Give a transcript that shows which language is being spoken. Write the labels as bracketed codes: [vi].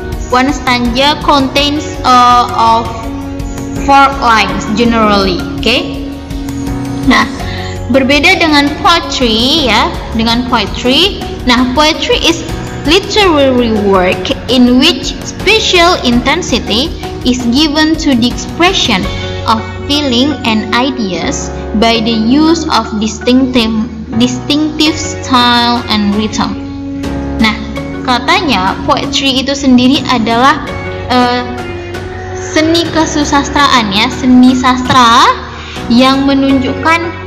[en] One stanza contains of 4 lines generally, okay? [id] Nah, berbeda dengan poetry, ya, dengan poetry. [en] Nah, poetry is literary work in which special intensity is given to the expression of feeling and ideas by the use of distinctive style and rhythm. [id] Katanya poetry itu sendiri adalah seni kesusastraan, ya, seni sastra yang menunjukkan